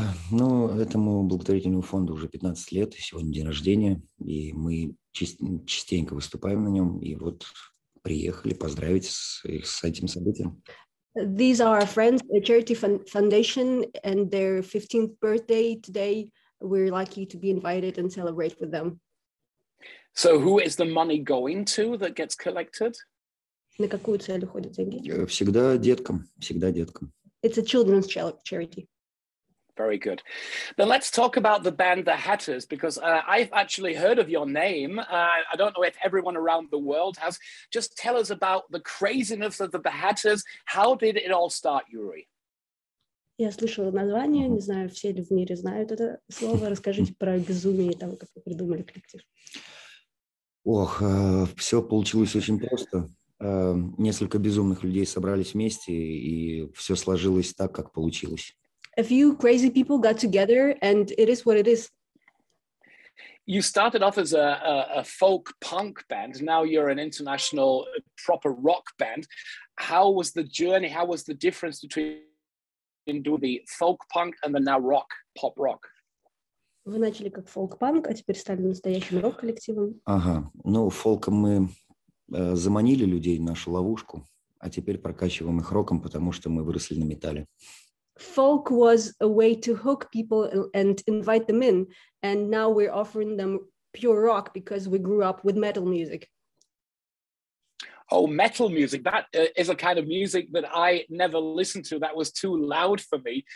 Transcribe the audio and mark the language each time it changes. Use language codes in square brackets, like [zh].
[ru] Ну, этому благотворительному фонду уже 15 лет, сегодня день рождения, и мы частенько выступаем на нем, и вот приехали поздравить с этим событием. [en] These are our friends, a charity foundation, and their 15th birthday today. We're lucky to be invited and celebrate with them. So who is the money going to that gets collected? [ru] На какую цель уходят деньги? Всегда деткам, всегда деткам. [en] It's a children's charity. Very good. Then let's talk about the band The Hatters, because I've actually heard of your name. I don't know if everyone around the world has. Just tell us about the craziness of The Hatters. How did it all start, Yuri? [ru] Я слышала название, не знаю, все ли в мире знают это слово. Расскажите про безумие того, как вы придумали коллектив. Ох, все получилось очень просто. Несколько безумных людей собрались вместе, и все сложилось так, как получилось. [en] A few crazy people got together, and it is what it is. You started off as a folk punk band. Now you're an international proper rock band. How was the journey? How was the difference between doing the folk punk and the now rock, pop rock? [ru] Вы начали как фолк-панк, а теперь стали настоящим рок-коллективом. Ага. Ну, фолком мы заманили людей в нашу ловушку, а теперь прокачиваем их роком, потому что мы выросли на металле. [en] Folk was a way to hook people and invite them in, and now we're offering them pure rock because we grew up with metal music. Oh, metal music, that is a kind of music that I never listened to, that was too loud for me.